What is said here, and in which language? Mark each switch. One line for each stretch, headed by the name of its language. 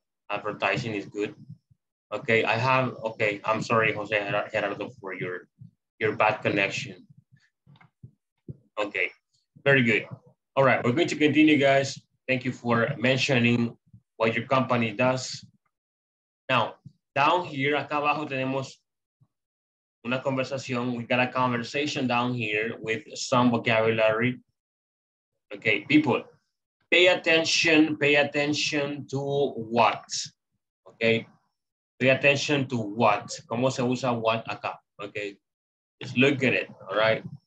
English: Advertising is good. Okay, I'm sorry, Jose Gerardo, for your bad connection. Okay, very good. All right, we're going to continue, guys. Thank you for mentioning what your company does. Now, down here,
Spanish: acá abajo tenemos una conversación.
English: We got a conversation down here with some vocabulary. Okay, people, pay attention to what? Okay, Pay attention to what.
Spanish: ¿Cómo se usa what acá?
English: Okay. Just look at it, all right?